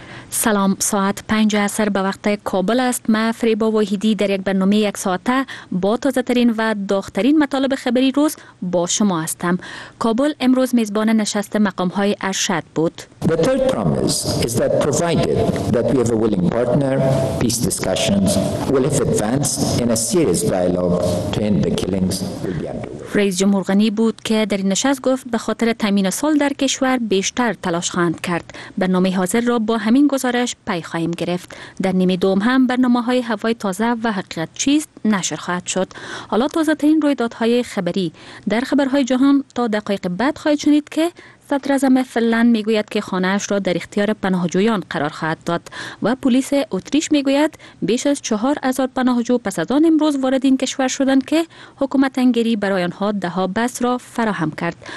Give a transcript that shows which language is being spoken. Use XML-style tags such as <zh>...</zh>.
<fa>سلام، ساعت 5 عصر به وقت کابل است. ما فریبا واحدی در یک برنامه یک ساعته با تازه ترین و داغ‌ترین مطالب خبری روز با شما هستم. کابل امروز میزبان نشست مقام های ارشد بود.</fa> <en>The third promise is that provided that we have a willing partner, peace discussions will have advanced in a serious dialogue to end the killings will be underway.</en> <fa>رئیس جمهور غنی بود که در این نشست گفت به خاطر تامین صلح در کشور بیشتر تلاش خواهند کرد. برنامه حاضر را با همین گزارش پی خواهیم گرفت. در نیمه دوم هم برنامه های هوای تازه و حقیقت چیست نشر خواهد شد. حالا تازه ترین رویدادهای خبری. در خبرهای جهان تا دقایق بعد خواهید شنید که صدر اعظم فنلند میگوید که خانه اش را در اختیار پناهجویان قرار خواهد داد و پلیس اتریش میگوید بیش از 4000 پناهجو پس از آن امروز وارد این کشور شدند که حکومت انگلی برای آنها ده ها بس را فراهم کرد.</fa>